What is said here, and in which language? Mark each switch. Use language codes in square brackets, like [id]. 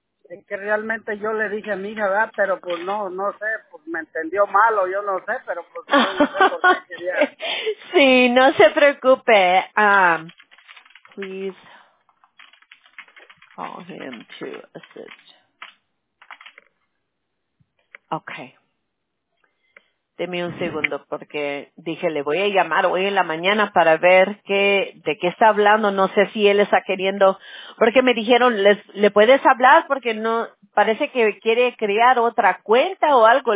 [es] Es que realmente yo le dije a mi hija, ¿verdad? Pero pues no sé, pues me entendió mal, o yo no sé, pero pues no sé por qué quería. Sí, no se preocupe. [en] Please call him to assist. Okay. [es] Deme un segundo porque dije, le voy a llamar hoy en la mañana para ver de qué está hablando. No sé si él está queriendo, porque me dijeron, ¿le puedes hablar? Porque no, parece que quiere crear otra cuenta o algo.